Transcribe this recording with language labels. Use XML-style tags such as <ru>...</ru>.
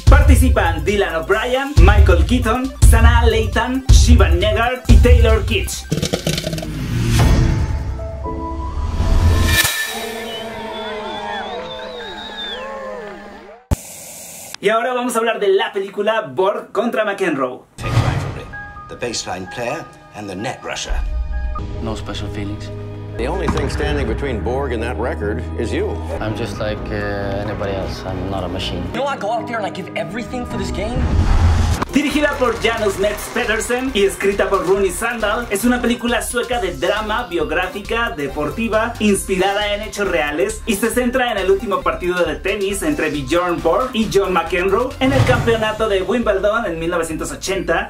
<es>Participan Dylan O'Brien, Michael Keaton, Sana Leighton, Shiva Negar y Taylor Kitsch. Y ahora vamos a hablar de la película Borg contra McEnroe.</es> <en>Take rivalry, the baseline player and the net rusher. No special feelings. The only thing standing between Borg and that record is you. I'm just like anybody else. I'm not a machine. You know, I go out there and I give everything for this game?</en> <es>Dirigida por Janus Metz Pedersen y escrita por Rooney Sandahl, es una película sueca de drama, biográfica, deportiva, inspirada en hechos reales, y se centra en el último partido de tenis entre Bjorn Borg y John McEnroe en el campeonato de Wimbledon en 1980.</es>